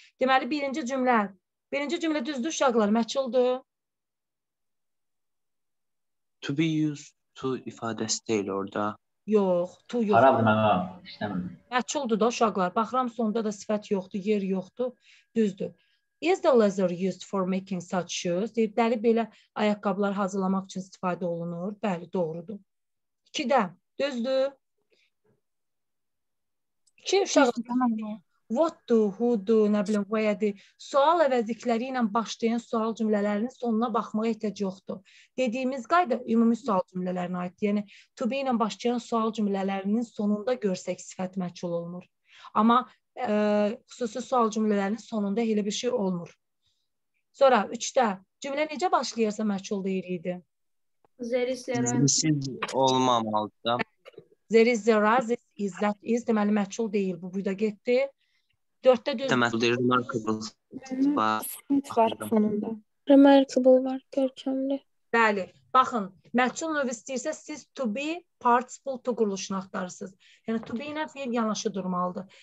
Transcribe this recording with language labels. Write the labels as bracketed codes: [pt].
[az] Deməli, birinci cümlə. Birinci cümlə düzdür uşaqlar. Məçhuldur. To be used to ifadəsi deyil orada. Yox, to yox. Harabdır mənə. İşləmədim. Məçhuldur da uşaqlar. Baxıram, sonda da sifət yoxdur, yer yoxdur. Düzdür. [en] Is the leather used for making such shoes? [az] Deyib, bəli, belə ayaqqabılar hazırlamaq üçün istifadə olunur. Bəli, doğrudur. İki də. Düzdür. İki uşaqlar. [en] What do, who do, [az] nə bilim, [en] where do? [az] Sual əvəzlikləri ilə başlayan sual cümlələrinin sonuna baxmağa ehtiyac yoxdur. Dediyimiz qayda ümumi sual cümlələrinə aiddir. Yəni, to be ilə başlayan sual cümlələrinin sonunda görsək sifət məçhul olunur. Amma xüsusi sual cümlələrinin sonunda elə bir şey olmur. Sonra, üçdə, cümlə necə başlayırsa məçhul deyirik idi? [en] There is there. [az] Olmamalıdır. [en] There is there are, this is that is. [az] Deməli məçhul deyil bu. Bu da getdi. 4-də düz. Deməli deyir remarkable. Var sonunda. Remarkable var, görkəmli. Bəli. Baxın, məçhul növ istəyirsə siz to be, participle, to quruluşunu axtarırsınız. Yəni to be ilə fiil yanaşı durmalıdır.